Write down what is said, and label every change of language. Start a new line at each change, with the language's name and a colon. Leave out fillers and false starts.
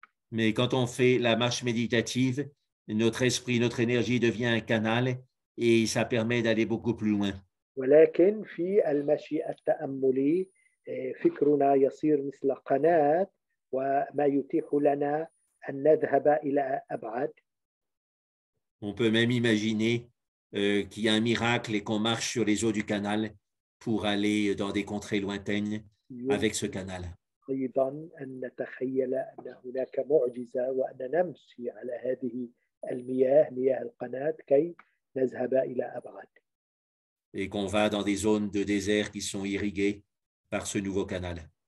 French: Mais quand on fait la marche méditative, notre esprit, notre énergie devient un canal et ça permet d'aller beaucoup plus loin.
Arabic: ولكن في المشي التأملي فكرنا يصير مثل قناة وما يتيح لنا أن نذهب إلى أبعد.
French: On peut même imaginer qu'il y a un miracle et qu'on marche sur les eaux du canal pour aller dans des contrées lointaines avec ce canal.
Arabic: أيضا أن نتخيل أن هناك معجزة وأن نمشي على هذه المياه مياه القناة كي نذهب إلى أبعد.
French: Et qu'on va dans des zones de désert qui sont irriguées par ce nouveau canal.